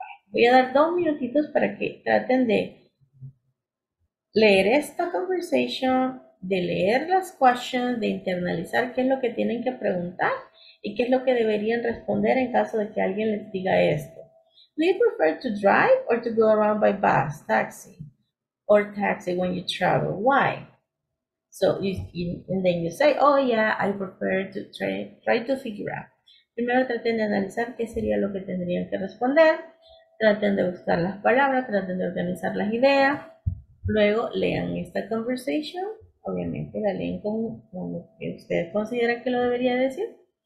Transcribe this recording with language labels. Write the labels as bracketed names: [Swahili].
[Spanish] Voy a dar 2 minutitos para que traten de leer esta conversación, de leer las questions, de internalizar qué es lo que tienen que preguntar y qué es lo que deberían responder en caso de que alguien les diga esto. [English] Do you prefer to drive or to go around by bus, taxi, or taxi when you travel? Why? So, and then you say, oh yeah, I prefer to try to figure out. [Spanish] Primero traten de analizar qué sería lo que tendrían que responder. Traten de buscar las palabras, traten de organizar las ideas. Luego, lean esta conversación. Obviamente la leen con lo que usted considera que lo debería decir.